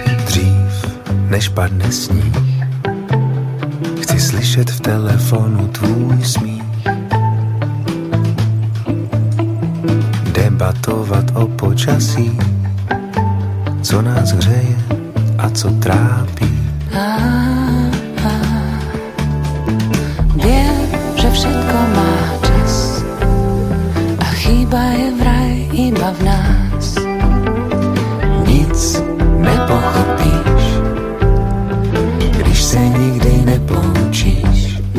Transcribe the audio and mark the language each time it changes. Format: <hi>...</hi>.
<cs>Dřív než padne sníh, chci slyšet v telefonu tvůj smích. Debatovat o počasí, co nás hřeje a co trápí.</cs> <sk>Vím, že všetko má čas a chyba je vraj iba v nás.</sk> <cs>Nic nepochopíš, když se nikdy nepoučíš.</cs>